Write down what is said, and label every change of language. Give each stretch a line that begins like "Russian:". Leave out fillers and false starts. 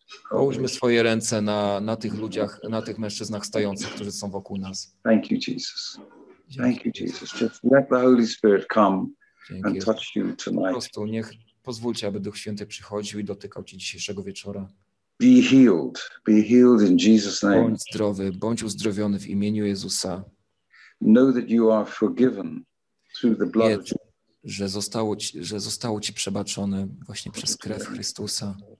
Polish: Połóżmy swoje ręce na tych ludziach, na tych mężczyznach stojących, którzy są wokół nas.
English: Thank you, Jesus. Thank you, Jesus. Just let the Holy Spirit come and touch you tonight.
Polish: Po prostu niech pozwólcie, aby Duch Święty przychodził i dotykał cię dzisiejszego wieczora.
English: Be healed. Be healed in Jesus' name.
Polish: Bądź zdrowy, bądź uzdrowiony w imieniu Jezusa.
English: Know that you are forgiven through the blood.
Polish: Wiedz, że zostało ci przebaczone właśnie przez krew Chrystusa.